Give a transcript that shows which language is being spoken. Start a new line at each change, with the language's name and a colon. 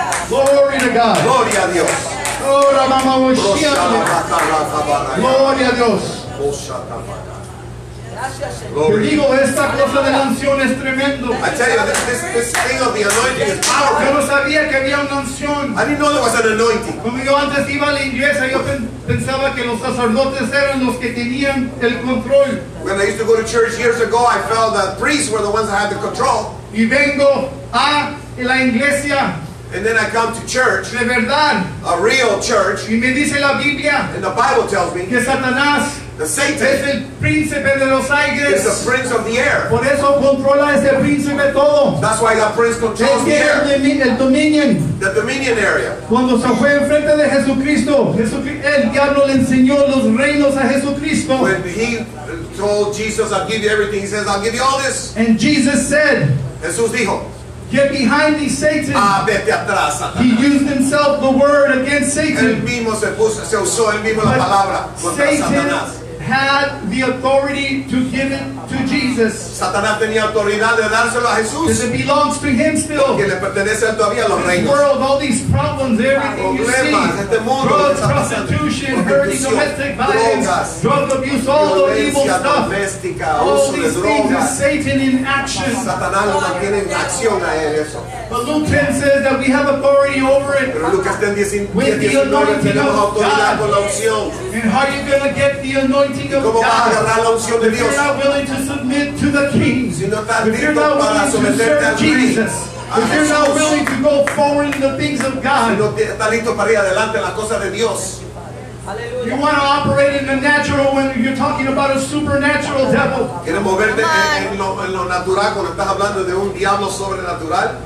English: Glory to God.
Spanish: Gloria a Dios. Gloria a Dios.
English: Glory.
Spanish: Te digo, esta cosa de la unción es tremendo.
English: I tell you, this thing of the anointing is powerful.
Spanish: Yo no sabía que había una unción.
English: I didn't know there was an anointing.
Spanish: Cuando yo antes iba a la iglesia, yo pensaba que los sacerdotes eran los que tenían el control.
English: When I used to go to church years ago, I felt that priests were the ones that had the control.
Spanish: Y vengo a la iglesia.
English: And then I come to church,
Spanish: de verdad,
English: a real church,
Spanish: y me dice la Biblia,
English: and the Bible tells me
Spanish: que Satanás,
English: the Satan
Spanish: es el príncipe de los aires,
English: is the prince of the air.
Spanish: Por eso controla ese príncipe todo.
English: That's why that prince controls the air.
Spanish: El dominion.
English: The dominion area.
Spanish: Cuando se fue enfrente de Jesucristo, el diablo le enseñó los reinos a Jesucristo.
English: When he told Jesus, I'll give you everything, he says, I'll give you all this. And Jesus said,
Spanish: Jesús dijo,
English: get behind me, Satan.
Spanish: Ah, vete atrás, Satanás.
English: He used himself the word against Satan.
Spanish: Él mismo se usó él mismo la palabra contra Satanás.
English: Had the authority to give it to Jesus.
Spanish: Satanás tenía autoridad de dárselo a Jesús.
English: Because it belongs to him still.
Spanish: Porque le pertenece todavía a los reinos.
English: This world, all these problems, everything you see.
Spanish: Este mundo,
English: drugs, prostitution, dirty domestic violence,
Spanish: drogas,
English: drug abuse, all the evil stuff. All these things
Spanish: drogas.
English: Is Satan in action.
Spanish: Satanás lo mantiene en acción a él eso.
English: But Luke 10 says that we have authority over it.
Spanish: Pero Lucas 10, 10,
English: with the anointing of God.
Spanish: Con la unción.
English: And how are you going to get the anointing of God?
Spanish: Vas a agarrar la unción de Dios?
English: If you're not willing to submit to the king,
Spanish: si no
English: if you're not willing to serve Jesus,
Spanish: a
English: if you're not willing to go forward in the things of God,
Spanish: si no está listo para ir adelante en las cosas de Dios.
English: You want to operate in the natural when you're talking about a supernatural devil.
Spanish: ¿Quieres moverte en lo natural cuando estás hablando de un diablo sobrenatural?